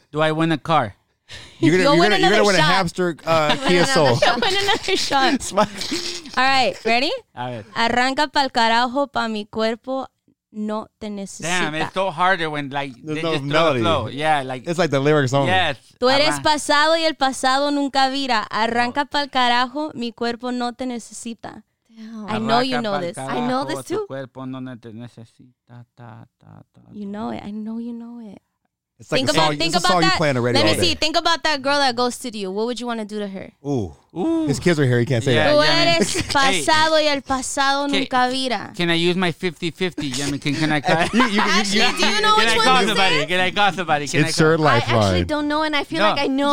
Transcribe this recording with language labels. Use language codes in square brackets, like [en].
[en] Do I win a car? You're gonna win a hamster Kia Soul. Win another shot. All right, ready? All right. [es] Arranca pa'l carajo pa' mi cuerpo no te necesita. [en] Damn, it's so harder when like there's no melody. Yeah, like it's like the lyrics only. Yes. [es] Tú eres pasado y el pasado nunca vira. Arranca pa'l carajo, mi cuerpo no te necesita. [en] Damn. I know you know this. I know this too. [es] Tu cuerpo no te necesita. [en] You know it. I know you know it. It's like think about that. Let me see. Think about that girl that ghosted you. What would you want to do to her? Ooh. His kids are here. He can't say that. [es] Tú eres pasado y el pasado nunca vira. [en] Can I use my 50-50? Yeah, I mean, can I call? Do you know which one to say? Can it's your lifeline. I actually don't know, and I feel like I know.